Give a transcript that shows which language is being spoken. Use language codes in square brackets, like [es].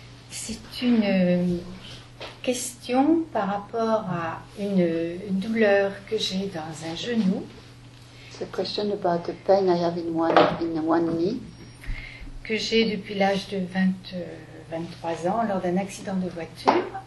[fr] C'est une question par rapport à une douleur que j'ai dans un genou. [en] The question about the pain I have in one knee. [fr] Que j'ai depuis l'âge de 23 ans lors d'un accident de voiture.